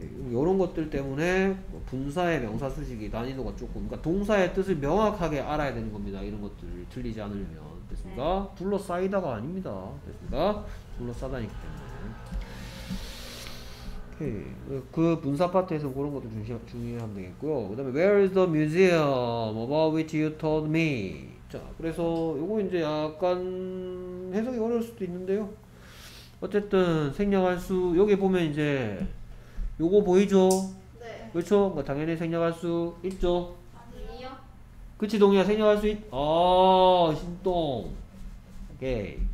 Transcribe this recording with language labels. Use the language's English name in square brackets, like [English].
[Korean] 이런 것들 때문에 분사의 명사 수식이 난이도가 조금. 그러니까 동사의 뜻을 명확하게 알아야 되는 겁니다. 이런 것들을 틀리지 않으려면. 됐습니까? 둘러싸이다가 아닙니다. 됐습니까? 둘러싸다니기 때문에. 그 분사 파트에서 그런 것도 중요하면 되겠고요. 그 다음에 [English] Where is the museum about which you told me? [Korean] 자, 그래서 요거 이제 약간 해석이 어려울 수도 있는데요. 어쨌든 생략할 수, 여기 보면 이제 요거 보이죠? 그렇죠? 뭐 당연히 생략할 수 있죠? 그치 동이야? 생략할 수 있, 아 신동 오케이.